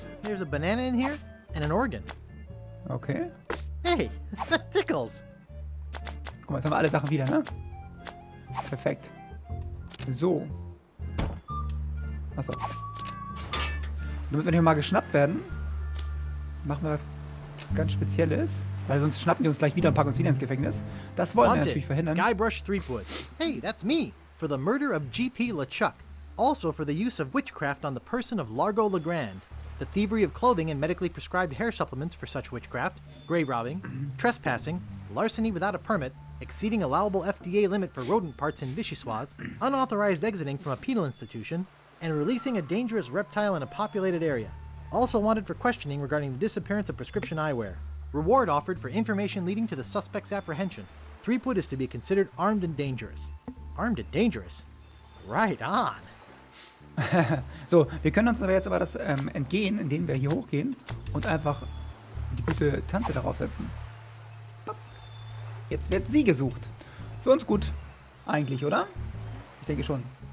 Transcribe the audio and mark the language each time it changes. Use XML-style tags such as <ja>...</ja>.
<en>There's a banana in here and an organ. Okay. Hey, that tickles.</en> <de>Guck mal, jetzt haben wir alle Sachen wieder, ne? Perfekt. So. Achso. Damit wir nicht mal geschnappt werden, machen wir was ganz Spezielles. Weil sonst schnappen die uns gleich wieder und packen uns wieder ins Gefängnis. Das wollen</de> <en>Wanted.</en> <de>Wir natürlich verhindern.</de> <en>Guybrush Threepwood. Hey, that's me. For the murder of G.P. LeChuck. Also for the use of witchcraft on the person of Largo LeGrand. The thievery of clothing and medically prescribed hair supplements for such witchcraft. Grave robbing. Trespassing. Larceny without a permit. Exceeding allowable FDA limit for rodent parts in Vichyssoise. Unauthorized exiting from a penal institution. And releasing a dangerous reptile in a populated area. Also wanted for questioning regarding the disappearance of prescription eyewear. Reward offered for information leading to the suspect's apprehension. Threepwood is to be considered armed and dangerous. Armed and dangerous? Right on.</en> <de>So, wir können uns aber jetzt aber das entgehen, indem wir hier hochgehen und einfach die gute Tante darauf setzen. Jetzt wird sie gesucht. Für uns gut, eigentlich, oder? Ich denke schon.</de>